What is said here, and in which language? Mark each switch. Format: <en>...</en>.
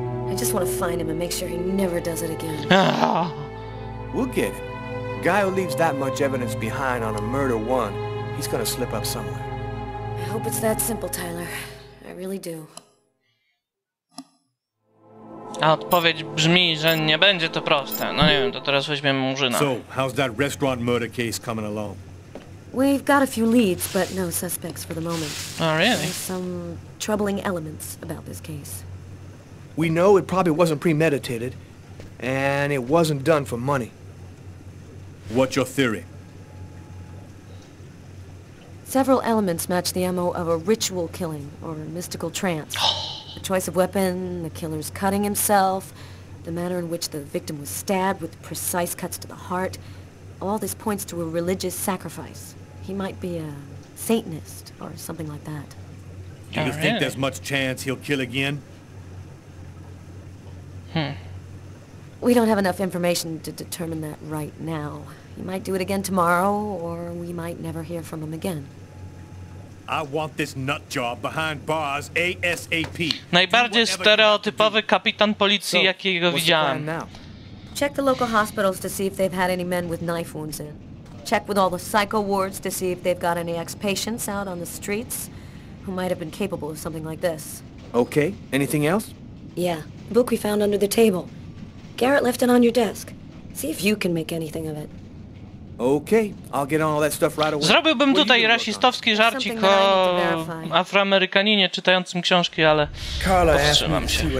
<en>I just want to find him and make sure he never does it again. We'll get it. Guy who leaves that much evidence behind on a murder one, he's gonna slip up somewhere. I hope it's that simple, Tyler. I really do.</en> <pl>A odpowiedź brzmi, że nie będzie to proste. No nie wiem, to teraz weźmiemy Murzyna.</pl> <en>So, how's that restaurant murder case coming along? We've got a few leads, but no suspects for the moment. Oh, really? There's some troubling elements about this case. We know it probably wasn't premeditated, and it wasn't done for money. What's your theory? Several elements match the MO of a ritual killing, or a mystical trance. The choice of weapon, the killer's cutting himself, the manner in which the victim was stabbed with precise cuts to the heart, all this points to a religious sacrifice. He might be a Satanist or something like that. Do you think there's much chance he'll kill again? We don't have enough information to determine that right now. He might do it again tomorrow, or we might never hear from him again. I want this nut job behind bars ASAP.</en> <pl>Najbardziej stereotypowy kapitan policji, jakiego widziałem.</pl> <en>Check the local hospitals to see if they've had any men with knife wounds in. Check with all the psycho wards to see if they've got any ex-patients out on the streets who might have been capable of something like this. Okay, anything else? Yeah, book we found under the table. Garrett left it on your desk. See if you can make anything of it. Okay, I'll get on all that stuff right away.</en> <pl>Zrobiłbym tutaj rasistowski żarcik o Afroamerykaninie czytającym książki, ale powstrzymam się.</pl>